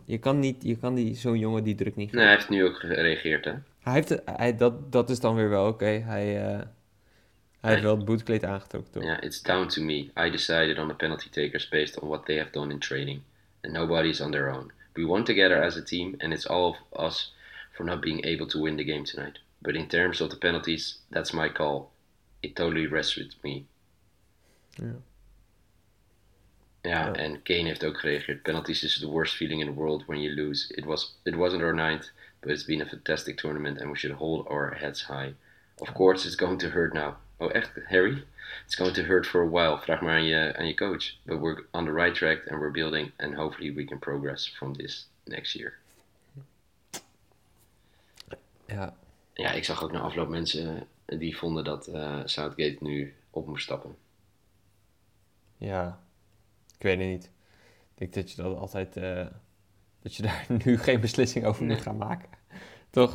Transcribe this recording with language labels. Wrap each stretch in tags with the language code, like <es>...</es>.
<nl>Je kan zo'n jongen die druk niet geven. Nee, hij heeft nu ook gereageerd, hè? Dat is dan weer wel oké. Okay. Hij heeft wel het boetekleed aangetrokken, toch?</nl> <en>Ja, yeah, it's down to me. I decided on the penalty takers based on what they have done in training. And nobody is on their own. We won together as a team and it's all of us for not being able to win the game tonight. But in terms of the penalties, that's my call. It totally rests with me.</en> <nl>Ja, en Kane heeft ook gereageerd.</nl> <en>Penalties is the worst feeling in the world when you lose. It wasn't our night, but it's been a fantastic tournament and we should hold our heads high. Of course, it's going to hurt now.</en> <nl>Oh, echt,</nl> <en>Harry? It's going to hurt for a while.</en> <nl>Vraag maar aan je coach.</nl> <en>But we're on the right track and we're building and hopefully we can progress from this next year.</en> <nl>Ja. Ja, ik zag ook na afloop mensen die vonden dat Southgate nu op moest stappen. Ja, ik weet het niet. Ik denk dat je dat altijd. Dat je daar nu geen beslissing over moet gaan maken. Toch?</nl>